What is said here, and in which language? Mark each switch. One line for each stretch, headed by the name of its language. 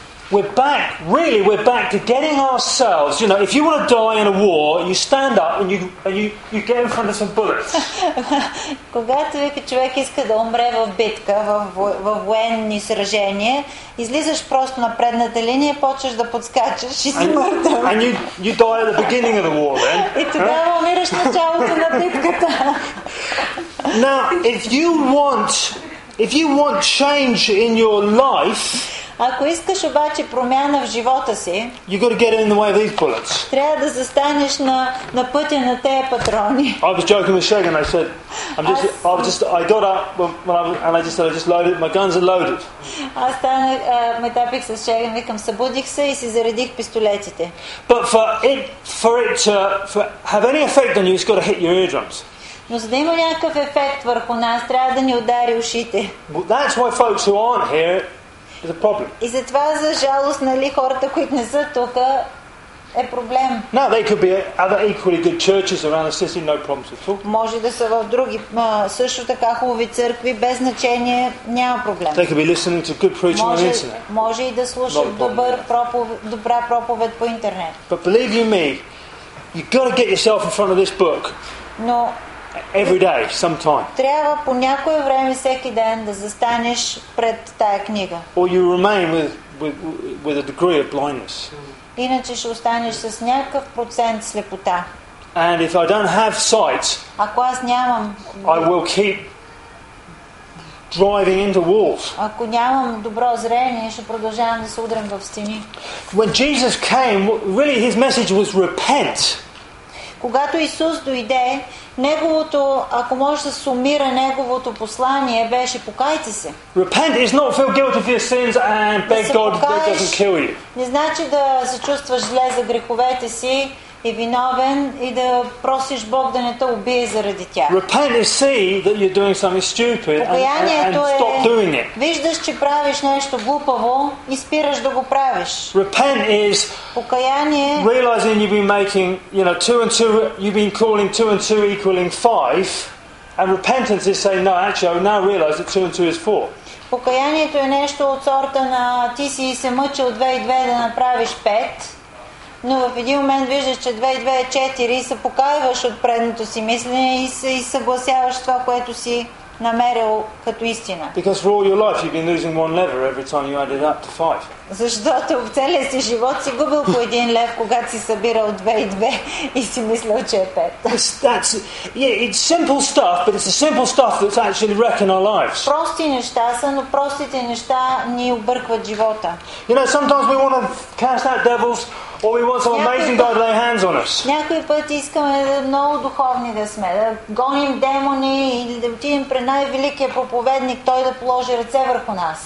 English: But we're back to getting ourselves, you know, if you want to die in a war, you stand up and you get in front of some bullets.
Bulgarian: Когато вика човек иска да умре в битка, в военни сражения, излизаш просто на предната линия, почваш да подскачаш и си мъртъв.
English: And you die at the beginning of the war, then.
Bulgarian: И тогава умираш началото на битката.
English: Now, if you want change in your life,
Bulgarian: ако искаш обаче промяна в живота си,
English: you got to get in the way of these bullets.
Bulgarian: Трябва да застанеш на пътя на тези патрони.
English: I was joking with Shagan, I said, I just loaded my guns and loaded.
Bulgarian: Аз станах, ме тапих с Шеган, викам, събудих се и си заредих пистолетите.
English: But for it to have any effect on you, it's got to hit your eardrums.
Bulgarian: Но за да има някакъв ефект върху нас, трябва да ни удари ушите.
English: But that's why folks who aren't here.
Bulgarian: И затова, за жалост, нали, хората, които не са тук, е проблем.
English: Now they could be other equally good churches around the city, no problems at all.
Bulgarian: Може да са в други също така хубави църкви, без значение, няма проблем.
English: They could be listening to good preaching on the internet.
Bulgarian: Може и да слушат добра проповед по интернет.
English: But believe you me, you got to get yourself in front of this book.
Bulgarian: Но
English: every day, sometime.
Bulgarian: Трябва по някое време всеки ден да застанеш пред тая книга.
English: Or you remain with a degree of blindness.
Bulgarian: Иначе ще останеш с някакъв процент слепота.
English: And if I don't have sight,
Bulgarian: ако аз нямам,
English: I will keep driving into walls.
Bulgarian: Ако нямам добро зрение, ще продължавам да се удрям в стени.
English: When Jesus came, really his message was repent.
Bulgarian: Когато Исус дойде, неговото, ако може да сумира неговото послание, беше покайте се.
English: Repent is not feel guilty for your sins and beg God that doesn't kill you.
Bulgarian: Не значи да се чувстваш зле за греховете си и виновен и да просиш Бог да не те убие заради тях.
English: Repent is see that you're doing something stupid and stop doing it.
Bulgarian: Виждаш, че правиш нещо глупаво и спираш да го правиш.
English: Repent is
Bulgarian: покаяние,
English: realizing you've been making, you know, two and two, you've been calling two and two equaling five, and repentance is saying, no, actually, I now realize that two and two is four.
Bulgarian: Покаянието е нещо от сорта на ти си се мъчил 2 и 2 да направиш 5. Но в един момент виждаш, че 2 и 2 е 4 и се покаиваш от предното си мислене и се съгласяваш това, което си намерил като истина.
English: Because for all your life you've been losing one lever every time you added up to 5.
Bulgarian: Защото в целия си живот си губил по един лев, когато си събирал 2 и 2 и си мислил, че е 5.
English: It's simple stuff, but it's the simple stuff that's actually wrecking our lives.
Bulgarian: Прости неща са, но простите неща ни объркват живота.
English: You know, sometimes we want to cast out devils. Or we want some amazing God to lay hands on us.
Bulgarian: Някой път искаме много духовни да сме, да гоним демони или да отидем при най-великия проповедник, той да положи ръце върху нас.